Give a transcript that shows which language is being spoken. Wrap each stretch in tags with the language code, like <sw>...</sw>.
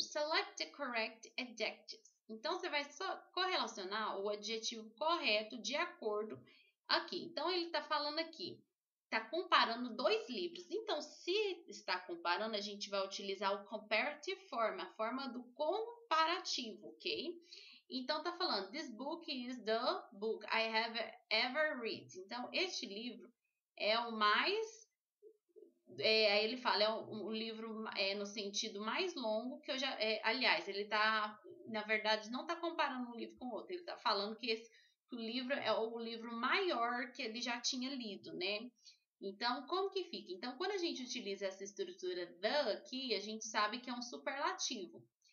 <en>Select the correct adjectives.</en> <pt>Então, você vai só correlacionar o adjetivo correto de acordo aqui. Então, ele está falando aqui, está comparando dois livros. Então, se está comparando, a gente vai utilizar o comparative form, a forma do comparativo, ok? Então, tá falando,</pt> <en>this book is the book I have ever read.</en> <pt>Então, este livro é o mais. Aí ele fala, é o livro no sentido mais longo que eu já. Aliás, ele tá, na verdade, não tá comparando um livro com o outro. Ele tá falando que que o livro é o livro maior que ele já tinha lido, né? Então, como que fica? Então, quando a gente utiliza essa estrutura the aqui, a gente sabe que é um superlativo.</pt>